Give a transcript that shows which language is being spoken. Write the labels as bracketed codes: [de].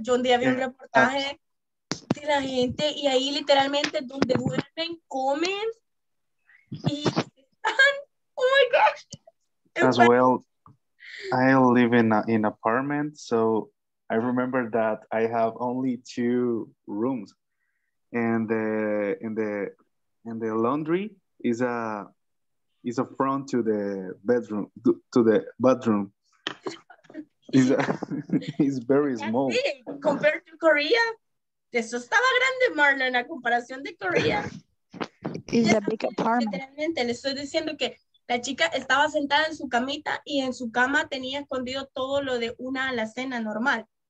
[es] Yo un día vi un reportaje de la gente y ahí literalmente donde duermen, comen y están. [en] Oh my gosh. As well. I live in an apartment, so I remember that I have only 2 rooms, and the laundry is a front to the bedroom, to the bathroom. It's very small. [es] Sí, [en] compared to Korea, [es] eso estaba grande, Marlon, a comparación de Korea. [en] It's a big apartment. [es] Literalmente, le estoy diciendo que. La chica estaba sentada en su camita y en su cama tenía escondido todo lo de una alacena normal.